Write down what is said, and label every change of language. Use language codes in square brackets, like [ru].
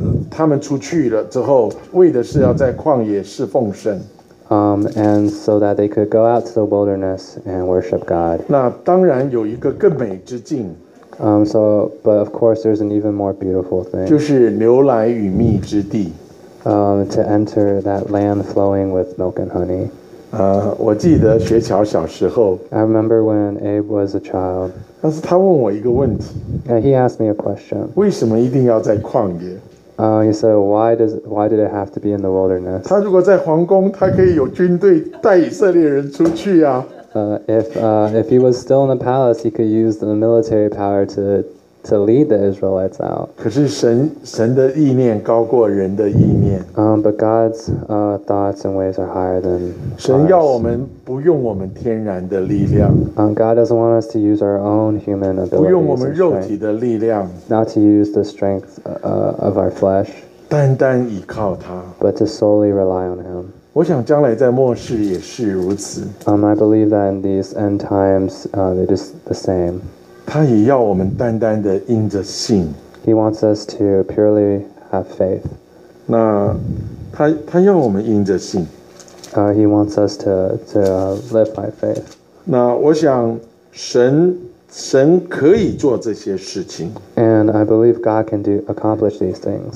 [zh] 他们出去了之后，为的是要在旷野侍奉神。 [en] And so that they could go out to the wilderness and worship God. [zh] 那当然有一个更美之境。 [en] So, but of course, there's an even more beautiful thing. [zh] 就是牛奶与蜜之地。 [en] To enter that land flowing with milk and honey. [zh] 我记得学乔小时候。 [en] I remember when Abe was a child. [zh] 但是他问我一个问题。 [en] And he asked me a question. [zh] 为什么一定要在旷野？ [en] He said, why did it have to be in the wilderness? [zh] 他如果在皇宫，他可以有军队带以色列人出去啊。 [en] If he was still in the palace, he could use the military power to lead the Israelites out. [zh] 可是神的意念高过人的意念。 [en] But God's thoughts and ways are higher than. [zh] 神要我们不用我们天然的力量。 [en] God doesn't want us to use our own human abilities. [zh] 不用我们肉体的力量。 [en] Not to use the strength of our flesh. [zh] 单单依靠他。 [en] But to solely rely on him. [zh] 我想将来在末世也是如此。 [en] I believe that in these end times, it is the same. [zh] 他也要我们单单的因着信。 [en] He wants us to purely have faith. [zh] 那他要我们因着信。 [en] He wants us to live by faith. [zh] 那我想神可以做这些事情。 [en] And I believe God can accomplish these things.